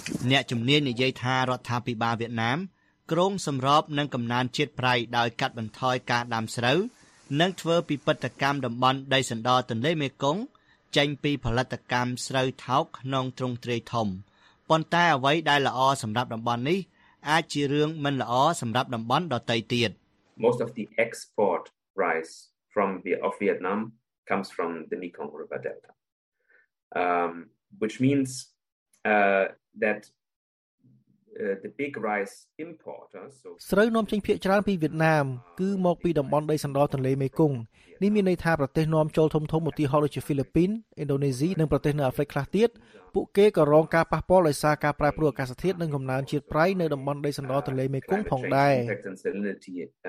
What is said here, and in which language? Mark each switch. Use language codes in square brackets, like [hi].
[km] អ្នកជំនាញនិយាយថារដ្ឋាភិបាលវៀតណាមក្រុងសម្របនិងកំណានជាតិប្រៃដោយកាត់បន្ថយការដាំស្រូវនិងធ្វើពិពិធកម្មតំបន់ដីសណ្ដទន្លេមេគង្គចេញពីផលិតកម្មស្រូវថោកក្នុងទ្រង់ទ្រាយធំប៉ុន្តែអ្វីដែលល្អសម្រាប់តំបន់នេះអាចជារឿងមិនល្អសម្រាប់តំបន់ដទៃទៀត [en] Most of the export rice from Vietnam comes from the Mekong River Delta which means the big rice importers [km] ស្រូវនាំចេញភាគច្រើនពីវៀតណាមគឺមកពីតំបន់ដីសណ្ដទន្លេមេគង្គនេះមានន័យថាប្រទេសនាំចូលធំធំមកទីហោដូចជាហ្វីលីពីនឥណ្ឌូនេស៊ីនិងប្រទេសនៅអាហ្វ្រិកខ្លះទៀតពួកគេក៏រងការប៉ះពាល់ដោយសារការប្រែប្រួលអាកាសធាតុនិងកំណើនជាតិប្រៃនៅតំបន់ដីសណ្ដទន្លេមេគង្គផងដែរ